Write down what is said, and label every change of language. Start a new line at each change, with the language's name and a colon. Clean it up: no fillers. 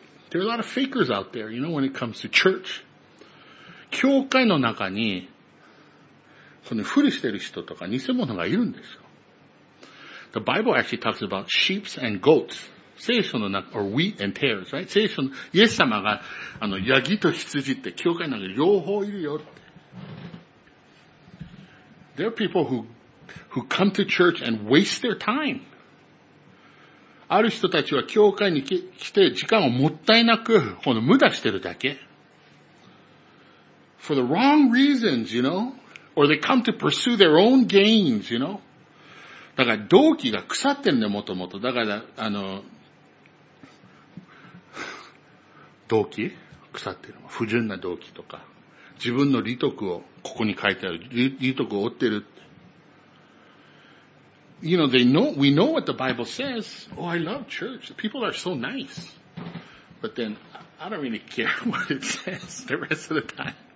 English: There are a lot of fakers out there, you know, when it comes to church.
Japanese: 教会の中に、このふりしてる人とか偽物がいるんですよ。
English: The Bible actually talks about sheep and goats.
Japanese: 聖書の中、
English: or wheat and tares, right?
Japanese: 聖書の、イエス様が、ヤギと羊って教会の中に両方いるよって。
English: There are people who come to church and waste their time.
Japanese: ある人たちは教会に来て時間をもったいなく、この無駄してるだけ。
English: For the wrong reasons, you know? Or they come to pursue their own gains, you know?
Japanese: だから動機が腐ってんだよ、もともと。だから、動機腐ってる。不純な動機とか。自分の利得を、ここに書いてある。利得を追ってる。
English: You know, we know what the Bible says. Oh, I love church. People are so nice. But then, I don't really care what it says the rest of the time.